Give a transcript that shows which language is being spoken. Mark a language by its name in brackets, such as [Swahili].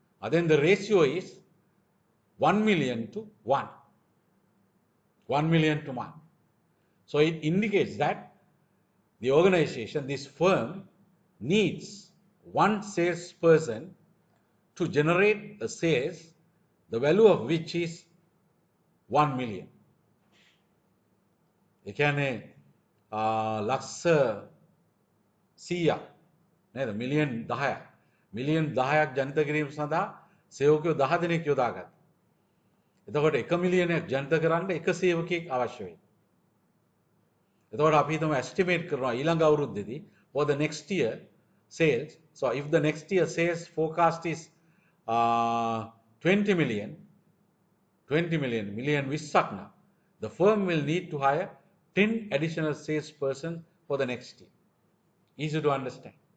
[English] Then the ratio is 1 million to 1. 1 million to 1. So it indicates that the organization, this firm, needs one sales person to generate a sales the value of which is 1 million. [Sinhala] ඒ කියන්නේ ලක්ෂ 100ක් නේද million 10ක් million 10ක් ජනිත කිරීම සඳහා සේවකයෝ 10 දෙනෙක් යොදා ගන්න. එතකොට 1 මිලියනයක් ජනිත කරන්න 1 සේවකයෙක් අවශ්‍ය වෙනවා. එතකොට අපි හිතමු estimate කරනවා ඊළඟ අවුරුද්දේදී [English] for the next year sales. So if the next year sales forecast is 20 million 20ක් නා the firm will need to hire 10 additional sales person for the next year. Easy to understand.